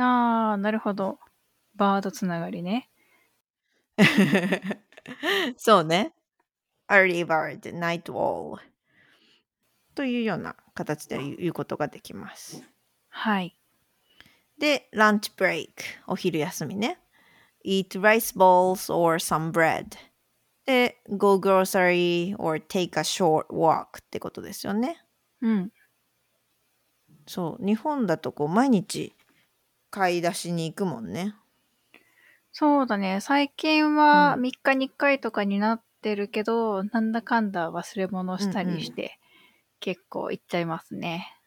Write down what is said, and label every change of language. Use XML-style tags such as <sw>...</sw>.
<ja>ああ、なるほど。バードつながりね。そうね。アーリーバード、ナイトオール。というような形で言うことができます。はい。で、ランチブレイク、お昼休みね。</ja> <en>Eat rice balls or some bread. で、go grocery or take a short walk</en> <ja>ってことですよね。うん。そう、日本だとこう毎日買い出しに行くもんね。そうだね。最近は3日に1回とかになってるけど、うん、なんだかんだ忘れ物したりして。うんうん、結構行っちゃいますね。</ja>